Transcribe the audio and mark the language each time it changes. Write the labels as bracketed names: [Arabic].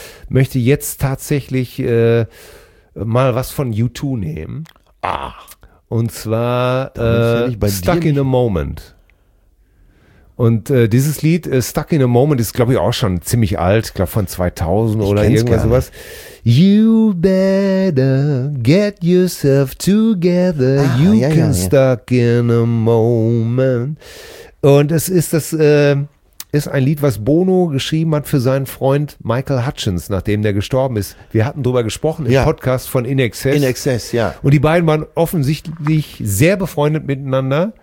[German] Möchte jetzt tatsächlich mal was von U2 nehmen. Ach. Und zwar Stuck in a Moment. Und dieses Lied Stuck in a Moment ist, glaube ich, auch schon ziemlich alt. Ich glaube, von 2000 oder irgendwas sowas. [English] You better get yourself together. Stuck in a moment. [German] Und es ist ist ein Lied, was Bono geschrieben hat für seinen Freund Michael Hutchins, nachdem der gestorben ist. Wir hatten drüber gesprochen im Podcast von In Excess. In Excess, ja. Und die beiden waren offensichtlich sehr befreundet miteinander.